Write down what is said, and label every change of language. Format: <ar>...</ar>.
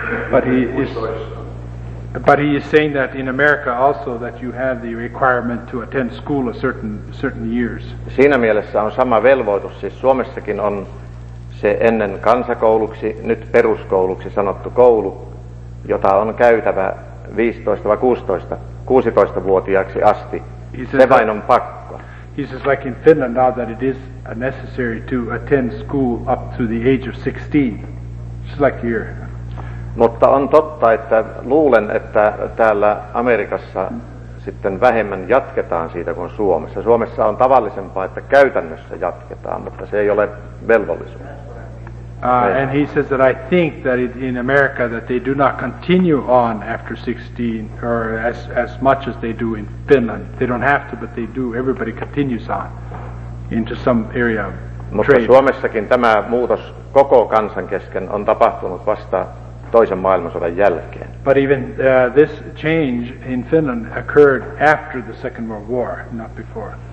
<en>But he is saying that in America also that you have the requirement to attend school a certain years.</en> <fi>Siinä mielessä on sama velvoitus, siis Suomessakin on se ennen kansakouluksi, nyt peruskouluksi sanottu koulu, jota on käytävä 15 vai 16 vuotiaaksi asti. Se vain on pakko.</fi> <en>He says like in Finland now that it is necessary to attend school up to the age of 16. Just like here.</en> <fi>Mutta on totta, että luulen, että täällä Amerikassa sitten vähemmän jatketaan siitä kuin Suomessa. Suomessa on tavallisempaa, että käytännössä jatketaan, mutta se ei ole velvollisuus.</fi> <en>And he says that I think that in America that they do not continue on after 16 or as much as they do in Finland. They don't have to, but they do. Everybody continues on into some area of trade.</en> <fi>Mutta Suomessakin tämä muutos koko kansan kesken on tapahtunut vasta toisen maailmansodan jälkeen.</fi> <en>But even this change in Finland occurred after the Second World War, not before.</en>